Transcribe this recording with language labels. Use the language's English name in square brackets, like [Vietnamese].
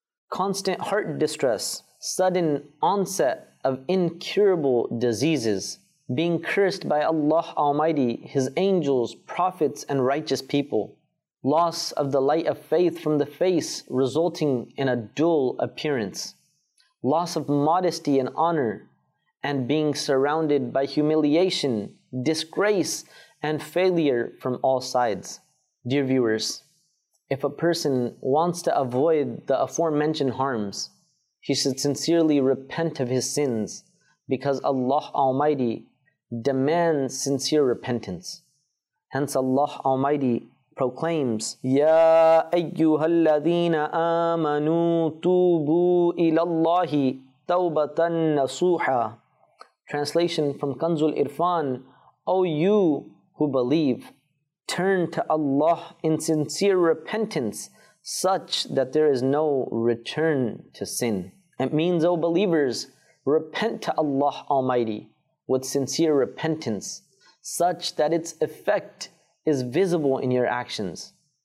[English] constant heart distress, sudden onset of incurable diseases, being cursed by Allah Almighty, His angels, prophets, and righteous people, loss of the light of faith from the face resulting in a dull appearance, loss of modesty and honor, and being surrounded by humiliation, disgrace, and failure from all sides. Dear viewers, if a person wants to avoid the aforementioned harms, he should sincerely repent of his sins because Allah Almighty demands sincere repentance. Hence Allah Almighty proclaims, [Arabic] يَا أَيُّهَا الَّذِينَ آمَنُوا تُوبُوا إِلَى اللَّهِ تَوْبَةً نَصُوحًا. [English] Translation from Kanzul Irfan, O you who believe, turn to Allah in sincere repentance such that there is no return to sin. It means, O believers, repent to Allah Almighty with sincere repentance such that its effect is visible in your actions.